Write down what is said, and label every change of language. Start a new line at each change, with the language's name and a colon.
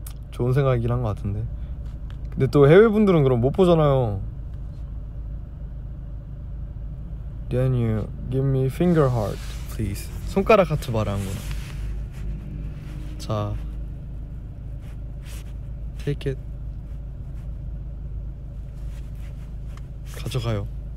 Korean: 좋은 생각이긴 한 것 같은데. 근데 또 해외분들은 그럼 못 보잖아요.
English: Then you give me finger heart, please.
Korean: 손가락 하트 말하는구나.
English: 자, take it.
Korean: 가져가요.